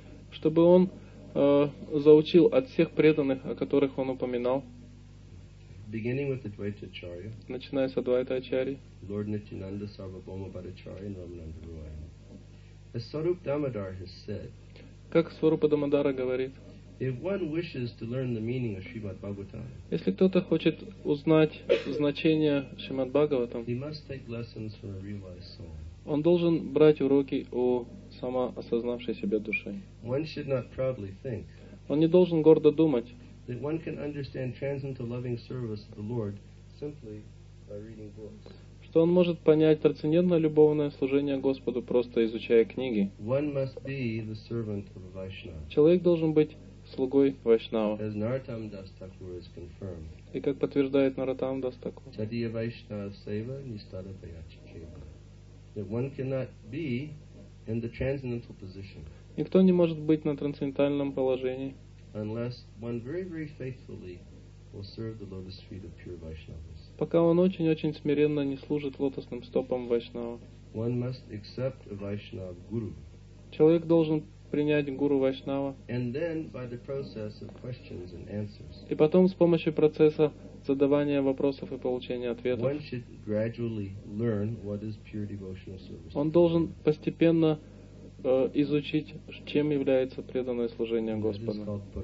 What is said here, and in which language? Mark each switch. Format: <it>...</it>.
<ru>Чтобы он заучил от всех преданных, о которых он упоминал,</ru> <en>beginning with Advaita Acharya,</en> <ru>начиная с Адвайта Ачарьи,</ru> <en>Lord Nityananda Sarvabhauma Bhattacharya, Nomananda Roy. As Swarup Damodar has said,</en> <ru>как Сварупа Дамодара говорит,</ru> <en>if one wishes to learn the meaning of Shrimad Bhagavatam,</en> <ru>если кто-то хочет узнать значение Шримад Бхагаватам,</ru> <en>he must take lessons from a realized soul.</en> <ru>Он должен брать уроки у самоосознавшей себя души.</ru> <en>One should not proudly think.</en> <ru>Он не должен гордо думать.</ru> <en>That one can understand transcendental loving service of the Lord simply by reading books.</en> <ru>Что он может понять трансцендентное любовное служение Господу, просто изучая книги.</ru> <en>One must be the servant of a Vaishnava.</en> <ru>Человек должен быть слугой Вайшнава.</ru> <en>As Narottam Das Thakur is confirmed.</en> <ru>И как подтверждает Narottam Das Thakur.</ru> <bn>Tadiya Vaishnava Seva Nistada Bayachikeva.</bn> <en>That one cannot be in the transcendental position.</en> <ru>Никто не может быть на трансцендентальном положении.</ru> <en>Unless one very, very faithfully will serve the lotus feet of pure Vaishnavas.</en> <ru>Пока он очень-очень смиренно не служит лотосным стопам Вайшнава.</ru> <en>One must accept a Vaishnav guru.</en> <ru>Человек должен принять гуру Вайшнава.</ru> <en>And then by the process of questions and answers.</en> <ru>И потом с помощью процесса задавания вопросов и получения ответов.</ru> <en>One should gradually learn what is pure devotional service.</en> <ru>Он должен постепенно изучить, чем является преданное служение Господу.</ru>